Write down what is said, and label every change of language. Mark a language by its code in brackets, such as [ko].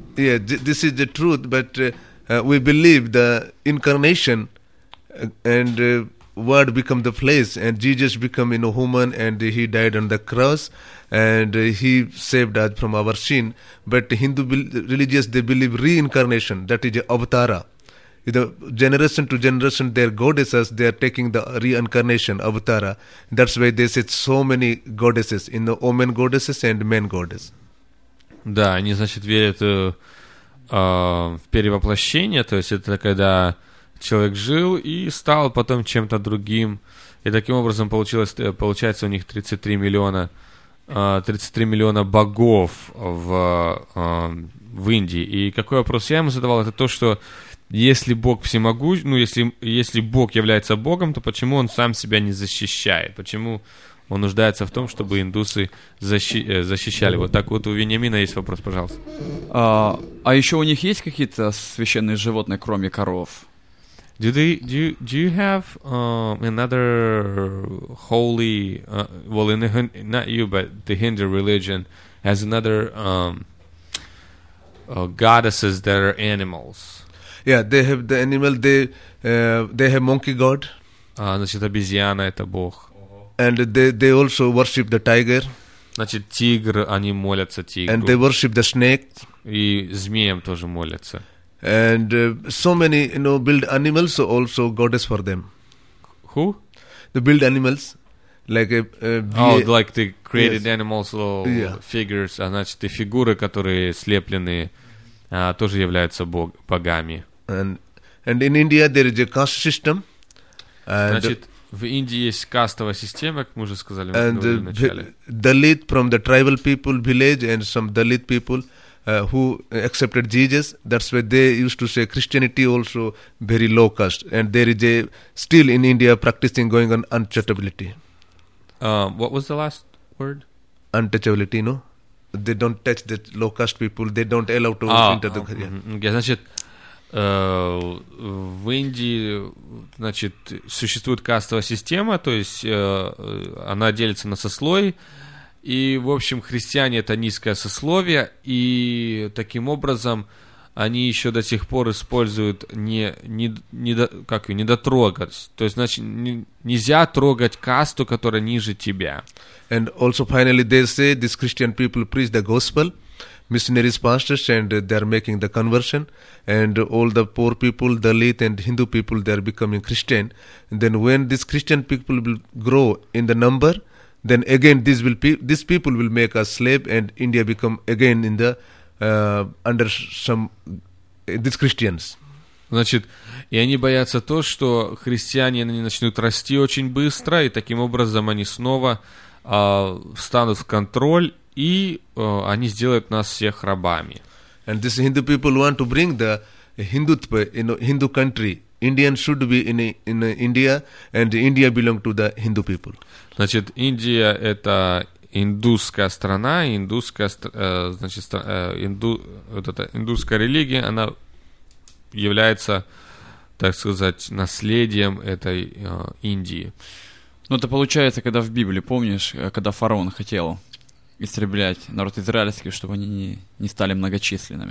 [en] Yeah, this is the truth, but we believe the incarnation and word become the flesh, and Jesus become, you know, human, and he died on the cross, and he saved us from our sin. But Hindu religious, they believe reincarnation, that is avatara. The generation to generation, their goddesses, they are taking the reincarnation, avatara. That's why they say so many goddesses, you know, women goddesses and men goddesses. [ru] Да, они, значит, верят в перевоплощение, то есть это когда человек жил и стал потом чем-то другим. И таким образом получается у них 33 миллиона богов в Индии. И какой вопрос я ему задавал, это то, что если Бог всемогущ, ну, если Бог является Богом, то почему он сам себя не защищает? Почему он нуждается в том, чтобы индусы защищали. Вот так вот у Вениамина есть вопрос, пожалуйста. А еще у них есть какие-то священные животные, кроме коров? [en] Do you have another holy... well, in the, not you, but the Hindu religion has another goddesses that are animals. Yeah, they have the animal, they have monkey god. [ru] Значит, обезьяна — это бог. [en] And they also worship the tiger. [ru] Значит, тигр, они молятся тигру. [en] And they worship the snake. [ru] И змеям тоже молятся. [en] And so many, you know, build animals also goddess for them. Who? They build animals, like like the created, yes, animals, little, yeah, figures. [ru] А значит, и фигуры, которые слеплены, тоже являются богами. [en] And in India there is a caste system. [ru] Значит, в Индии есть кастовая система, как мы уже сказали, [en] and [ru] в начале. [en] Dalit from the tribal people village and some Dalit people who accepted Jesus, that's why they used to say Christianity also very low caste. And there is a still in India practicing going on untouchability. What was the last word? Untouchability, no? They don't touch the low caste people, they don't allow to enter the country. [ru] Yeah, значит, в Индии, значит, существует кастовая система, то есть она делится на сословий, и, в общем, христиане — это низкое сословие, и таким образом они еще до сих пор используют не дотрогать, то есть, значит, нельзя трогать касту, которая ниже тебя. [en] And also finally they say these Christian people preach the gospel, missionaries, pastors, and they are making the conversion, and all the poor people, Dalit and Hindu people, they are becoming Christian. And then when these Christian people will grow in the number, then again these people will make us slave, and India become again in the under some these Christians. [ru] Значит, и они боятся то, что христиане, они начнут расти очень быстро, и таким образом они снова встанут в контроль. И они сделают нас всех рабами. [en] And this Hindu people want to bring the Hindutva, you know, Hindu country. Indian should be in India, and India belong to the Hindu people. [ru] Значит, Индия — это индусская страна, индусская, значит, вот эта индусская религия, она является, так сказать, наследием этой Индии. Ну, это получается, когда в Библии, помнишь, когда фараон хотел истреблять народ израильский, чтобы они не стали многочисленными.